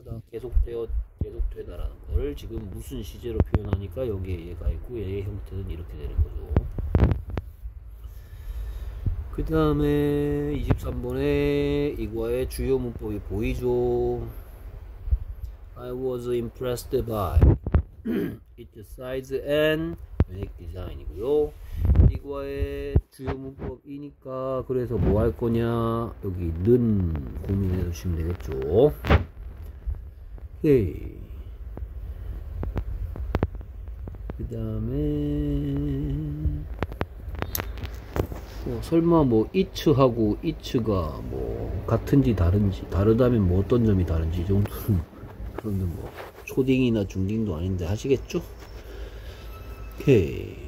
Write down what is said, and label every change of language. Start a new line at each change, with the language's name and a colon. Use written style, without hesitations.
Korean: 계속하다, 계속되다라는 거를 지금 무슨 시제로 표현하니까 여기에 얘가 있고 얘의 형태는 이렇게 되는 거죠. 그 다음에 23번에 이거의 주요 문법이 보이죠?
English: I was impressed by its size and unique design
Korean: 이고요. 이거의 주요 문법이니까 그래서 뭐할 거냐? 여기 는 고민해 주시면 되겠죠. 오케이. 그 다음에 설마 뭐 it하고 it가 뭐 같은지 다른지 다르다면 뭐 어떤 점이 다른지 이 정도는 그런데 뭐 초딩이나 중딩도 아닌데 하시겠죠? 오케이.